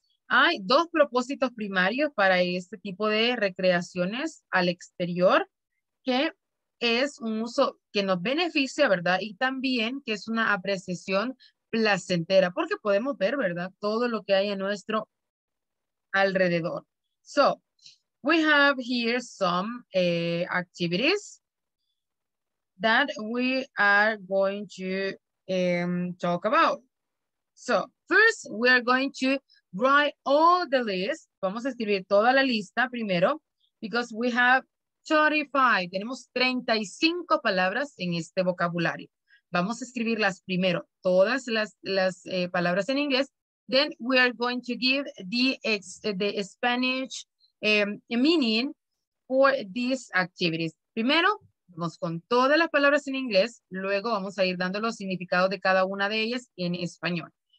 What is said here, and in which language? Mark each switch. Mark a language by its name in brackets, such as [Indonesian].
[Spanish] Hay dos propósitos primarios para este tipo de recreaciones al exterior, que es un uso que nos beneficia, ¿verdad?, y también que es una apreciación placentera, porque podemos ver, ¿verdad?, todo lo que hay a nuestro alrededor. [English] So, we have here some activities that we are going to talk about. So, first, we are going to write all the list. [Spanish] Vamos a escribir toda la lista primero, [English] because we have 35. [Spanish] Tenemos 35 palabras en este vocabulario. Vamos a escribirlas primero, todas las palabras en inglés. [English] Then we are going to give the Spanish meaning for these activities. [Spanish] Primero, vamos con todas las palabras en inglés. Luego vamos a ir dando los significados de cada una de ellas en español.